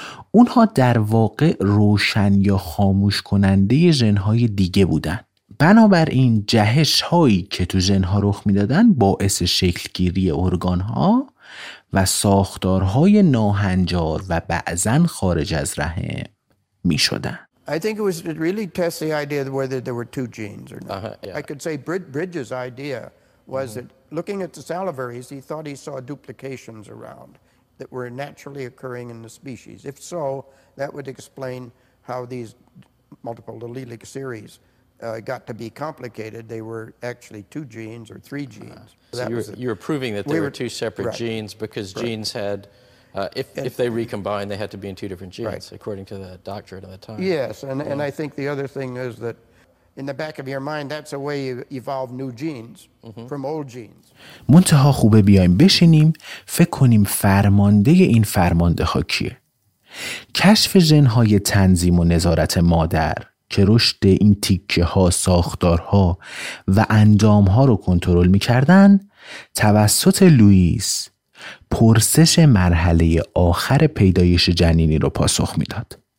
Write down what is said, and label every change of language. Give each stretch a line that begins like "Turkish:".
Persian: اونها در واقع روشن یا خاموش کننده ژن های دیگه بودن. بنابراین جهش هایی که تو ژن ها رخ می دادن باعث شکل گیری ارگان ها و ساختارهای ناهنجار و بعضن خارج از رحم می شدن.
English: I think it was to really test the idea of whether there were two genes or not. I could say Bridges' idea was that looking at the salivaries, he thought he saw duplications around that were naturally occurring in the species. If so, that would explain how these multiple allelic series got to be complicated. They were actually two genes or three genes. So you were proving that there were two separate genes because genes had... If they recombine, they had to be in two different genes, according to the doctorate at the time. Yes, and I think the other thing is that in the back of your mind, that's a way you evolve new genes from old genes.
Persian: منتها خوبه بیایم بشینیم، فکر کنیم فرمانده این فرمانده ها کیه؟ کشف ژن‌های تنظیم و نظارت مادر که رشد این تیکه ها، ساختار ها و اندام ها رو کنترل می کردن توسط لوئیس، پرسش مرحله آخر پیدایش جنینی رو پاسخ می داد.